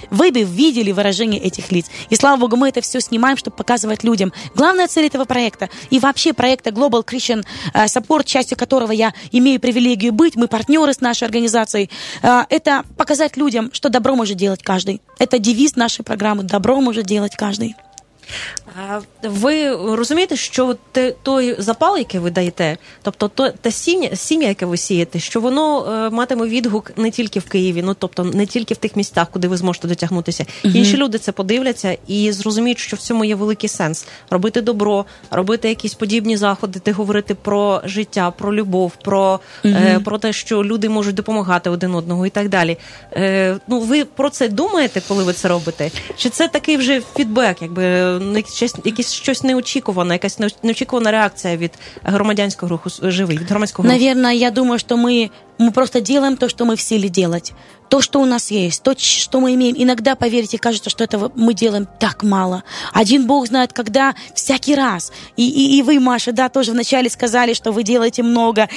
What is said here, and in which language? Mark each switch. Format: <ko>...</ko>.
<ru>Вы бы видели выражение этих лиц. И слава богу, мы это все снимаем, чтобы показывать людям. Главная цель этого проекта и вообще проекта Global Christian Support, частью которого я имею привилегию быть, мы партнеры с нашей организацией, это показать людям, что добро может делать каждый. Это девиз нашей программы «Добро может делать каждый».</ru> <uk>Ви розумієте, що той запал, який ви даєте, тобто те сім'я, яке ви сієте, що воно матиме відгук не тільки в Києві, ну тобто не тільки в тих місцях, куди ви зможете дотягнутися. Угу. Інші люди це подивляться і зрозуміють, що в цьому є великий сенс. Робити добро, робити якісь подібні заходи, де говорити про життя, про любов, про, про те, що люди можуть допомагати один одному і так далі. Ну, ви про це думаєте, коли ви це робите? Чи це такий вже фідбек, якби якесь щось неочікуване, якась неочікувана реакція від громадянського руху «Живий», від громадського руху?</uk> <ru>Наверное, я думаю,</ru> <uk>що ми</uk> <ru>просто делаем то, что мы в силе делать. То, что у нас есть, то, что мы имеем. Иногда, поверьте, кажется, что этого мы делаем так мало. Один Бог знает, когда всякий раз. И вы, Маша, да, тоже вначале сказали, что вы делаете много.</ru>